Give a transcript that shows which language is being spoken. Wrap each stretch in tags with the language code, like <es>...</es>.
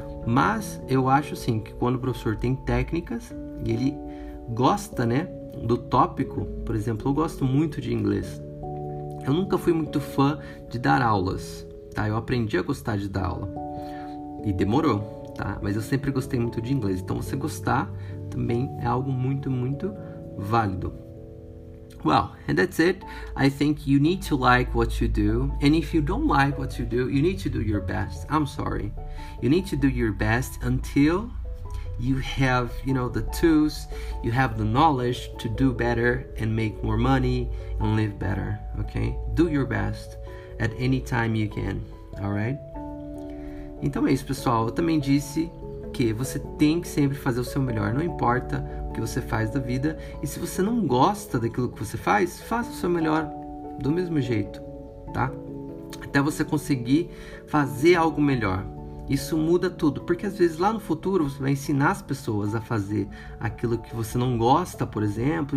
<pt>Mas eu acho assim que quando o professor tem técnicas e ele gosta, né, do tópico, por exemplo, eu gosto muito de inglês. Eu nunca fui muito fã de dar aulas, tá? Eu aprendi a gostar de dar aula e demorou. Tá? Mas eu sempre gostei muito de inglês. Então, você gostar também é algo muito, muito válido.</pt> <en>Well, and that's it. I think you need to like what you do. And if you don't like what you do, you need to do your best. I'm sorry. You need to do your best until you have, you know, the tools, you have the knowledge to do better and make more money and live better. Okay? Do your best at any time you can. All right?</en> <pt>Então é isso, pessoal. Eu também disse que você tem que sempre fazer o seu melhor, não importa o que você faz da vida. E se você não gosta daquilo que você faz, faça o seu melhor do mesmo jeito, tá? Até você conseguir fazer algo melhor. Isso muda tudo, porque às vezes lá no futuro você vai ensinar as pessoas a fazer aquilo que você não gosta, por exemplo.</pt>